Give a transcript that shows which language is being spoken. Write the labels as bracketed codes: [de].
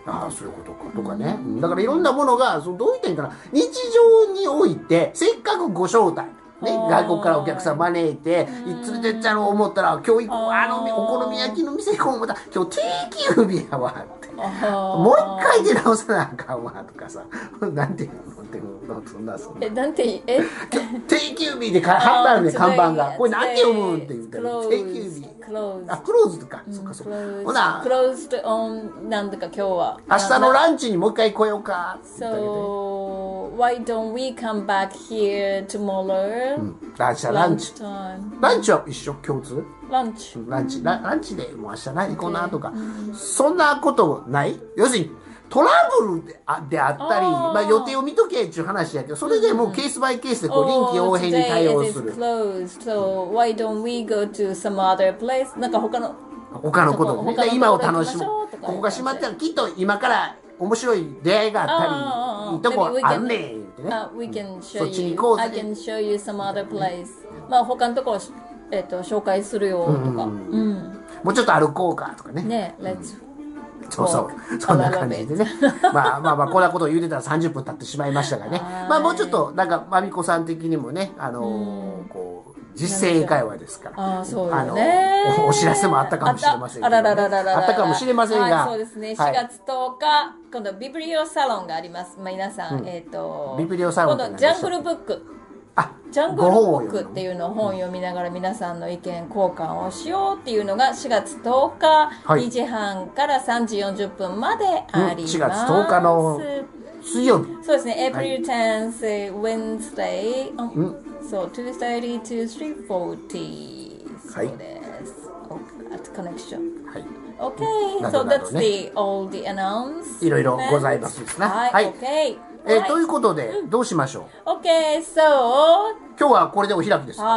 [ja] ああそういうことかとかね。うん、だからいろんなものがそのどういったんかな、日常においてせっかくご招待ね、外国からお客さん招いて連れてっちゃうと思ったら、今日あのお好み焼きの店行こう思ったら今日定休日やわって、もう一回出直さなあかんわとかさなんていうのって、そんなそんな、え、なんて、え、定休日で貼ったんで看板が、これなんて読むって言ったら定休日クローズとか、そうかそうか、ほなクローズオン、なんとか今日は明日のランチにもう一回来ようか、 [en] そう、Why don't we come back here tomorrow? [ja] ランチ、ランチ、ランチは一緒、共通。ランチ、ランチ、ランチで、もう明日何行こうなとか、そんなことない。要するにトラブルであったり、まあ予定を見とけっていう話やけど、それでもうケースバイケースでこう臨機応変に対応する。 [en] Closed, so why don't we go to some other place? [ja] なんか他のことを、今を楽しもう。ここが閉まったらきっと今から面白い出会いがあったり。いいとこあるねーってね、 [en] we can show you. [ja] そっちに行こうぜ、 [en] I can show you some other place、 [ja] まあ他のとこを、紹介するよとか、うんうん、もうちょっと歩こうかとか ね、ね、 [en] Let's、 [ja] うん、そうそう、そんな感じでね、まあまあまあこんなことを言うてたら30分経ってしまいましたがね、まあもうちょっとなんかまみこさん的にもね、こう実践英会話ですから、あ、そうですね、お知らせもあったかもしれませんけど、ね、あららあったかもしれませんが、そうですね、4月10日、はい、今度ビブリオサロンがあります、皆さん、ビブリオサロンこのジャングルブック、あ、ジャングルブックっていうのを本を読みながら皆さんの意見交換をしようっていうのが4月10日、はい、2時半から3時40分まであります、うん、4 月10日の水曜日そうですね [en] April 10th、はい、Wednesday、うん、そう2:30 to 3:40 [ja] そうです、はい、 [en] At Connection、 [ja] はい、 [en] OK [ja] など [en] So など、ね、that's the all the announcement [ja] いろいろございますですね、はいはい、OK [en] Right. [ja] ということで、どうしましょう [en] Okay, so... [ja] 今日はこれでお開きですか